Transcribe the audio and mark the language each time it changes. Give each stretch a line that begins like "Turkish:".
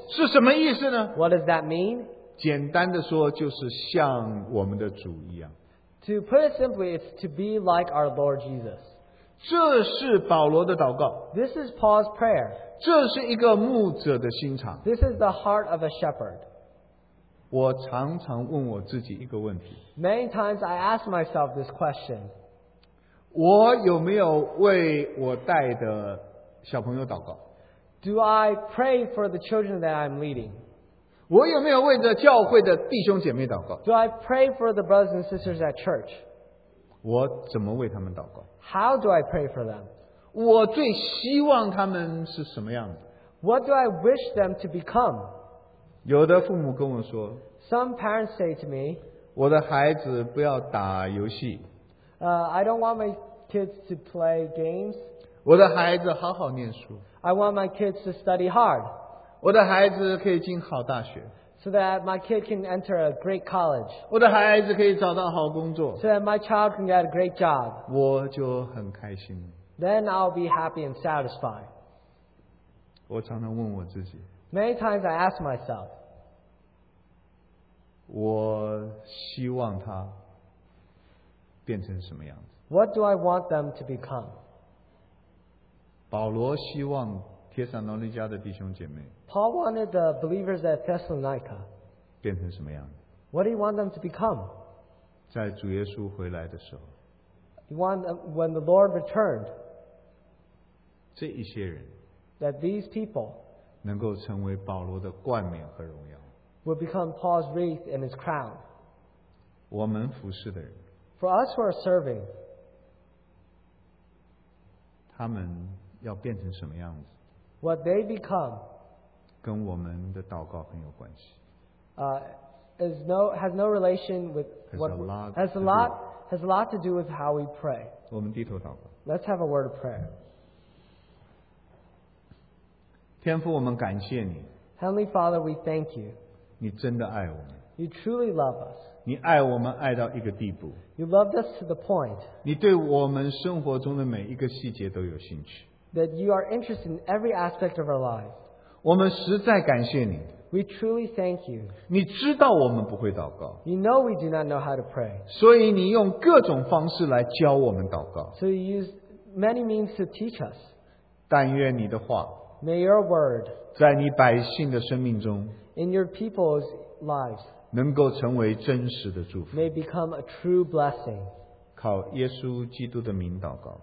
Chinese: 是什么意思呢？
English: What does that mean?
Chinese: 简单的说就是像我们的主一样。
English: To put it simply, it's to be like our Lord Jesus.
Chinese: 这是保罗的祷告。
English: This is Paul's prayer.
Chinese: 这是一个牧者的心肠。
English: This is the heart of a shepherd.
Chinese: 我常常问我自己一个问题。
English: Many times I ask myself this question.
Chinese: 我有没有为我带的小朋友祷告？
English: Do I pray for the children that I'm leading?
Chinese: 我有没有为着教会的弟兄姐妹祷告？
English: Do I pray for the brothers and sisters at church?
Chinese: 我怎么为他们祷告？
English: How do I pray for them?
Chinese: 我最希望他们是什么样的？
English: What do I wish them to become?
Chinese: 有的父母跟我说
English: ，Some parents say to me，
Chinese: 我的孩子不要打游戏。
English: I don't want my kids to play games。
Chinese: 我的孩子好好念书。
English: I want my kids to study hard。
Chinese: 我的孩子可以进好大学。
English: So that my kid can enter a great college。
Chinese: 我的孩子可以找到好工作。
English: So that my child can get a great job。
Chinese: 我就很开心。
English: Then I'll be happy and satisfied。
Chinese: 我常常问我自己。
English: Many times I ask myself,
Chinese: 我希望他变成什么样子?
English: What do I want them to become?
Chinese: 保罗希望帖撒罗尼迦的弟兄姐妹
English: Paul wanted the believers at Thessalonica
Chinese: 变成什么样子?
English: What do you want them to become?
Chinese: 在主耶稣回来的时候
English: you want them, When the Lord returned
Chinese: 这一些人
English: That these people
Chinese: 能够成为保罗的冠冕和荣耀。
English: Will become Paul's wreath and his crown.
Chinese: 我们服侍的人。
English: For us who are serving.
Chinese: 他们要变成什么样子?
English: What they become.
Chinese: 跟我们的祷告很有关系。
English: Has no relation with what has a lot to do with how we pray.
Chinese: 我们低头祷告。
English: Let's have a word of prayer.
Chinese: 天父我们感谢你
English: Heavenly Father we thank you
Chinese: 你真的爱我们
English: You truly love us
Chinese: 你爱我们爱到一个地步
English: You loved us to the point
Chinese: 你对我们生活中的每一个细节都有兴趣
English: That you are interested in every aspect of our lives
Chinese: 我们实在感谢你
English: We truly thank you
Chinese: 你知道我们不会祷告
English: You know we do not know how to pray
Chinese: 所以你用各种方式来教我们祷告
English: So you use many means to teach us
Chinese: 但愿你的话
English: May your word
Chinese: 在你百姓的生命中
English: in your people's lives
Chinese: 能够成为真实的祝福
English: may become a true blessing
Chinese: 靠耶稣基督的名祷告